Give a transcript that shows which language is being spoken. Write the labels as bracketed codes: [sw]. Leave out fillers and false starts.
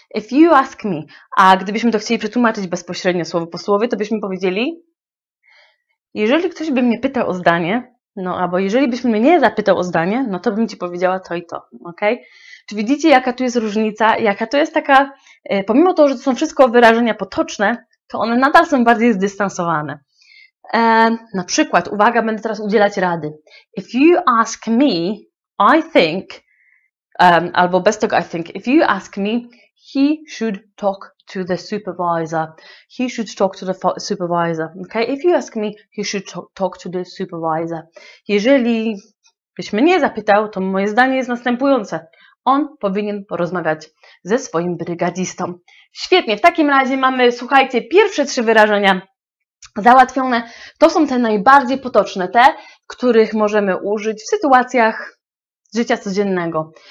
[en] If you ask me, [pl] a gdybyśmy to chcieli przetłumaczyć bezpośrednio słowo po słowie, to byśmy powiedzieli, jeżeli ktoś by mnie pytał o zdanie, no albo jeżeli byś mnie nie zapytał o zdanie, no to bym ci powiedziała to i to, ok? Czy widzicie, jaka tu jest różnica, jaka to jest taka, pomimo to, że to są wszystko wyrażenia potoczne, to one nadal są bardziej zdystansowane. Na przykład, uwaga, będę teraz udzielać rady. [en] If you ask me, I think, [pl] albo bez tego [en] I think, if you ask me, he should talk to the supervisor. He should talk to the supervisor. Okay? If you ask me, he should talk to the supervisor. [pl] Jeżeli byś mnie zapytał, to moje zdanie jest następujące. On powinien porozmawiać ze swoim brygadzistą. Świetnie, w takim razie mamy, słuchajcie, pierwsze trzy wyrażenia załatwione. To są te najbardziej potoczne, te, których możemy użyć w sytuacjach życia codziennego.